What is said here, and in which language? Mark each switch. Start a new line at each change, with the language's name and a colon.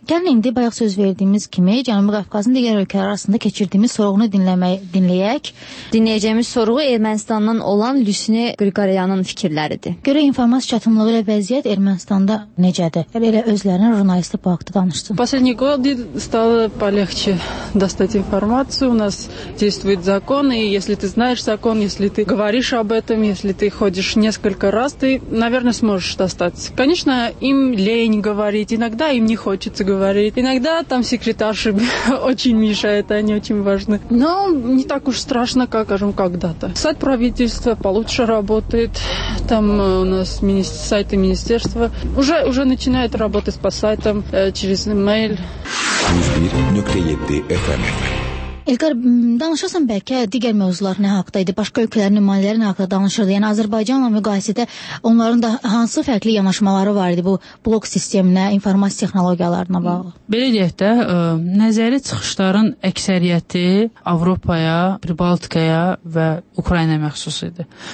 Azerbaijani: Gəlin, indi bayaq söz verdiyimiz kimi, Cənubi Qafqazın digər ölkələr arasında keçirdiyimiz sorğunu dinləyək. Dinləyəcəyimiz sorğu Ermənistandan olan Lüsni Qriqoryanın fikirləridir. Görə informasiya çatımlığı ilə vəziyyət Ermənistanda necədir? Elə özlərinə jurnalistlik bu haqda danışdın.
Russian: Последний год стало полегче достать информацию. У нас действует закон, и если ты знаешь закон, если ты говоришь об этом, если ты ходишь несколько раз, ты, наверное, сможешь достаться. Конечно, им лень говорить, иногда им не хочется говорить, иногда там секретарши очень мешают, они очень важны. Но не так уж страшно, как, скажем, когда-то. Сайт правительства получше работает, там у нас сайты министерства уже начинают работать по сайтам через email.
Azerbaijani: İlqar, danışasan bəlkə digər mövzular nə haqda idi, başqa ölkələrin nümayəndələri nə haqda danışırdı? Yəni, Azərbaycanla müqayisədə onların da hansı fərqli yanaşmaları var idi bu blok sisteminə, informasiya texnologiyalarına bağlı? Belə deyək də, nəzəri çıxışların əksəriyyəti Avropaya, Baltikaya və Ukraynaya məxsus idi.